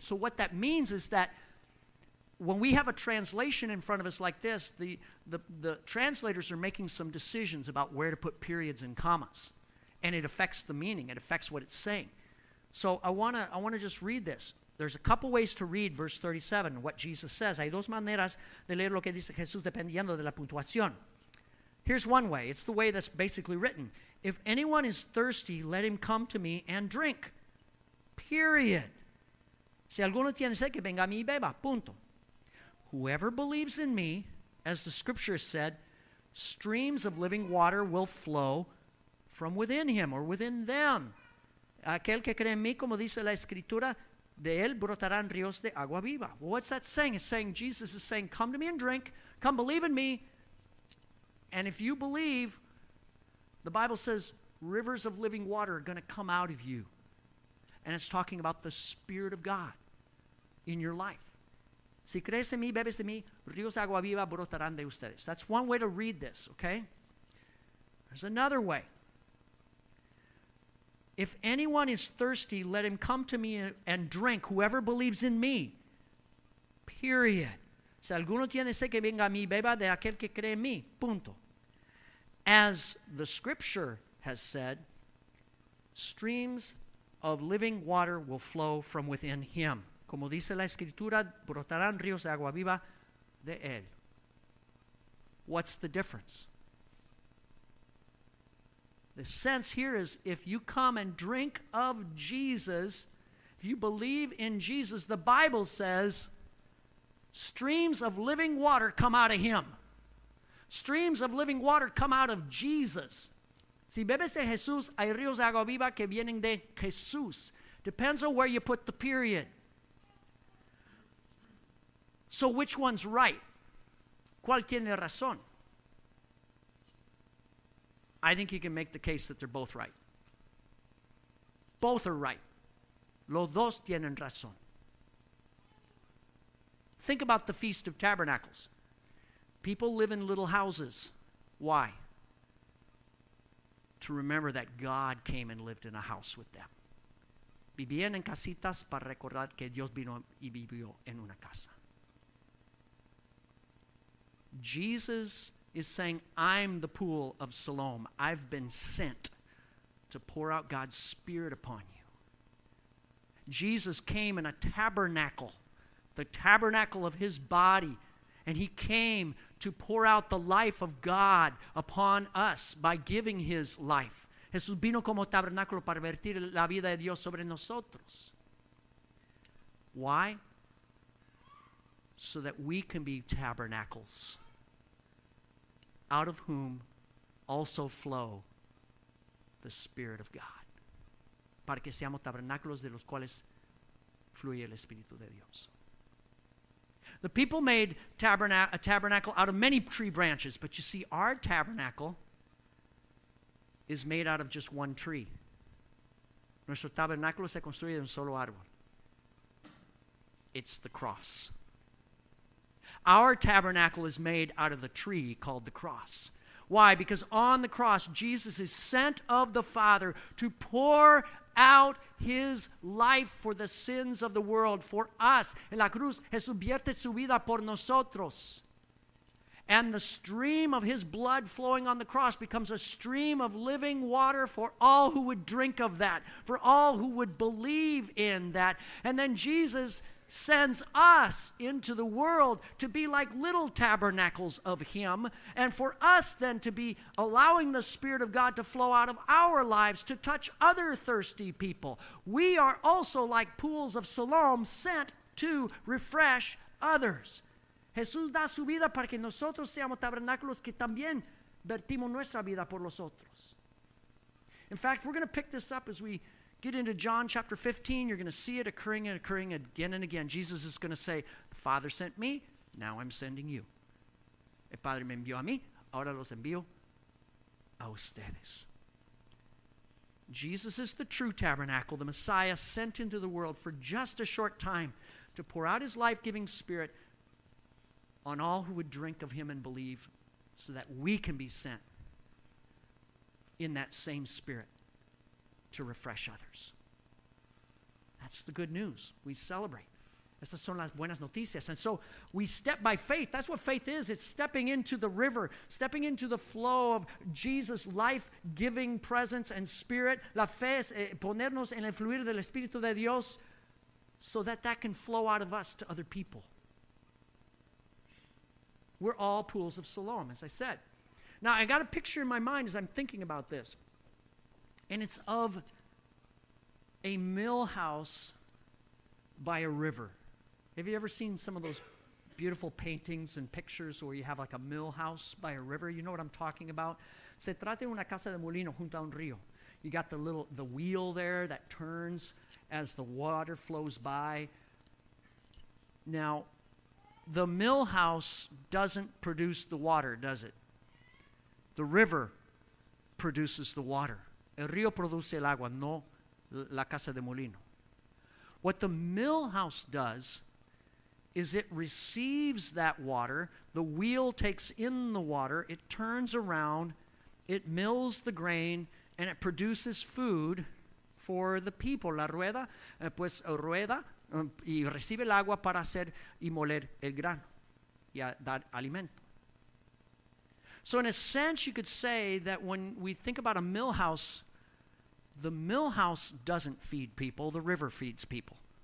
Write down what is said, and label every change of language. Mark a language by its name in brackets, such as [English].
[English] So what that means is that when we have a translation in front of us like this, the translators are making some decisions about where to put periods and commas. And it affects the meaning. It affects what it's saying. So I wanna just read this. There's a couple ways to read verse 37, what Jesus says. [Spanish] Hay dos maneras de leer lo que dice Jesús dependiendo de la puntuación. [English] Here's one way. It's the way that's basically written. If anyone is thirsty, let him come to me and drink. Period. [Spanish] Si alguno tiene sed, que venga a mí y beba. Punto. [English] Whoever believes in me, as the scripture said, streams of living water will flow from within him or within them. [Spanish] Aquel que cree en mí, como dice la escritura, de él brotarán ríos de agua viva. [English] Well, what's that saying? It's saying, Jesus is saying, come to me and drink, come believe in me, and if you believe, the Bible says, rivers of living water are going to come out of you. And it's talking about the Spirit of God in your life. [Spanish] Si crees en mí, bebes de mí, ríos de agua viva brotarán de ustedes. [English] That's one way to read this, okay? There's another way. If anyone is thirsty, let him come to me and drink, whoever believes in me. Period. [Spanish] Si alguno tiene sed, que venga a mí, beba de aquel que cree en mí. Punto. [English] As the scripture has said, streams of living water will flow from within him. [Spanish] Como dice la escritura, brotarán ríos de agua viva de él. [English] What's the difference? The sense here is if you come and drink of Jesus, if you believe in Jesus, the Bible says streams of living water come out of him. Streams of living water come out of Jesus. [Spanish] Si bebes de Jesús, hay ríos de agua viva que vienen de Jesús. [English] Depends on where you put the period. So which one's right? [Spanish] ¿Cuál tiene razón? [English] I think you can make the case that they're both right. Both are right. [Spanish] Los dos tienen razón. [English] Think about the Feast of Tabernacles. People live in little houses. Why? To remember that God came and lived in a house with them. [Spanish] Vivían en casitas para recordar que Dios vino y vivió en una casa. [English] Jesus is saying, I'm the pool of Siloam. I've been sent to pour out God's Spirit upon you. Jesus came in a tabernacle, the tabernacle of his body, and he came to pour out the life of God upon us by giving his life. [Spanish] Jesús vino como tabernáculo para vertir la vida de Dios sobre nosotros. [English] Why? So that we can be tabernacles, out of whom also flow the Spirit of God. [Spanish] Para que seamos tabernáculos de los cuales fluye el Espíritu de Dios. [English] The people made a tabernacle out of many tree branches, but you see, our tabernacle is made out of just one tree. [Spanish] Nuestro tabernáculo se construye de un solo árbol. [English] It's the cross. Our tabernacle is made out of the tree called the cross. Why? Because on the cross, Jesus is sent of the Father to pour out his life for the sins of the world, for us. [Spanish] En la cruz, Jesús vierte su vida por nosotros. [English] And the stream of his blood flowing on the cross becomes a stream of living water for all who would drink of that, for all who would believe in that. And then Jesus sends us into the world to be like little tabernacles of him, and for us then to be allowing the Spirit of God to flow out of our lives to touch other thirsty people. We are also like pools of Siloam sent to refresh others. [Spanish] Jesús da su vida para que nosotros seamos tabernáculos que también vertimos nuestra vida por los otros. [English] In fact, we're going to pick this up as we get into John chapter 15. You're going to see it occurring and occurring again and again. Jesus is going to say, the Father sent me, now I'm sending you. [Spanish] El Padre me envió a mí, ahora los envío a ustedes. [English] Jesus is the true tabernacle, the Messiah sent into the world for just a short time to pour out his life-giving Spirit on all who would drink of him and believe, so that we can be sent in that same Spirit to refresh others. That's the good news. We celebrate. [Spanish] Esas son las buenas noticias. [English] And so we step by faith. That's what faith is. It's stepping into the river, stepping into the flow of Jesus' life-giving presence and Spirit. [Spanish] La fe es ponernos en el fluir del Espíritu de Dios [English] so that that can flow out of us to other people. We're all pools of Siloam, as I said. Now, I got a picture in my mind as I'm thinking about this. And it's of a mill house by a river. Have you ever seen some of those beautiful paintings and pictures where you have like a mill house by a river. You know what I'm talking about? [Spanish] Se trata de una casa de molino junto a un río. [English] You got the wheel there that turns as the water flows by. Now, the mill house doesn't produce the water, does it? The river produces the water. [Spanish] El río produce el agua, no la casa de molino. [English] What the mill house does is it receives that water, the wheel takes in the water, it turns around, it mills the grain, and it produces food for the people. [Spanish] La rueda, pues rueda, y recibe el agua para hacer y moler el grano, y dar alimento. [English] So in a sense, you could say that when we think about a mill house, the mill house doesn't feed people, the river feeds people.